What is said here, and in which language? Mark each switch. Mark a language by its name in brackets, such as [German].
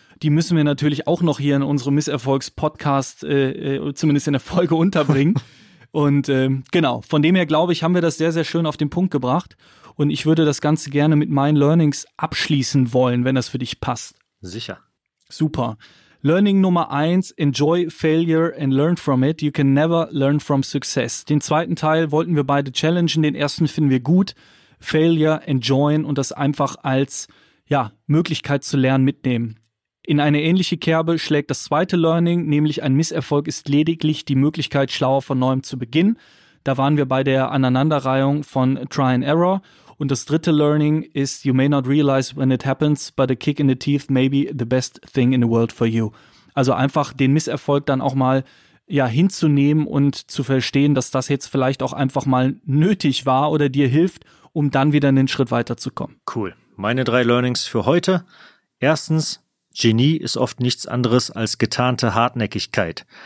[German] Die müssen wir natürlich auch noch hier in unserem Misserfolgs-Podcast, zumindest in der Folge, unterbringen. Und von dem her, glaube ich, haben wir das sehr, sehr schön auf den Punkt gebracht. Und ich würde das Ganze gerne mit meinen Learnings abschließen wollen, wenn das für dich passt. Sicher. Super. [English] Learning Nummer 1, enjoy failure and learn from it. You can never learn from success. [German] Den zweiten Teil wollten wir beide challengen. Den ersten finden wir gut. Failure, enjoyen und das einfach als Möglichkeit zu lernen mitnehmen. In eine ähnliche Kerbe schlägt das zweite Learning, nämlich ein Misserfolg ist lediglich die Möglichkeit, schlauer von neuem zu beginnen. Da waren wir bei der Aneinanderreihung von Try and Error. Und das dritte Learning ist, [English] you may not realize when it happens, but a kick in the teeth may be the best thing in the world for you. [German] Also einfach den Misserfolg dann auch mal hinzunehmen und zu verstehen, dass das jetzt vielleicht auch einfach mal nötig war oder dir hilft, um dann wieder einen Schritt weiterzukommen. Cool. Meine 3 Learnings für heute. Erstens, Genie ist oft nichts anderes als getarnte Hartnäckigkeit.